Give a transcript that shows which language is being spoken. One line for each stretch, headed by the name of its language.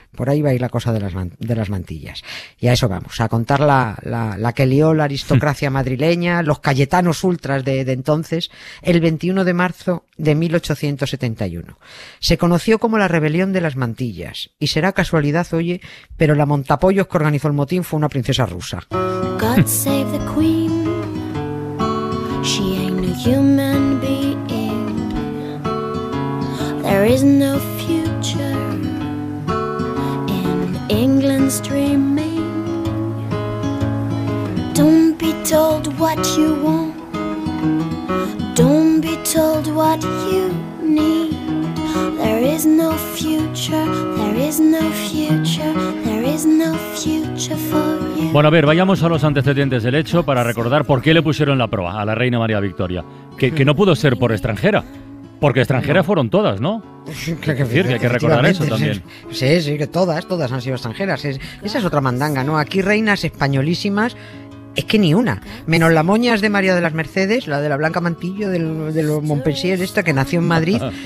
Spanish: Por ahí va a ir la cosa de las mantillas. Y a eso vamos, a contar la que lió la aristocracia madrileña, los cayetanos ultras de entonces, el 21 de marzo de 1871. Se conoció como la rebelión de las mantillas, y será casualidad, oye, pero la montapollos que organizó el motín fue una princesa rusa.
English: God save the queen, she ain't no human being, there is no future in England's dream. Don't be told what you want, don't be told what you need. There is no future, there is no future, there is no future for you.
Spanish: Bueno, a ver, vayamos a los antecedentes del hecho para recordar por qué le pusieron la proa a la reina María Victoria, que no pudo ser por extranjera. Porque extranjeras fueron todas, ¿no? Hay que recordar eso también. Sí, que todas han sido extranjeras. Esa es otra mandanga, ¿no? Aquí reinas españolísimas, es que ni una, menos la moñas de María de las Mercedes, la de la Blanca Mantillo, de los Montpensier, esta que nació en Madrid.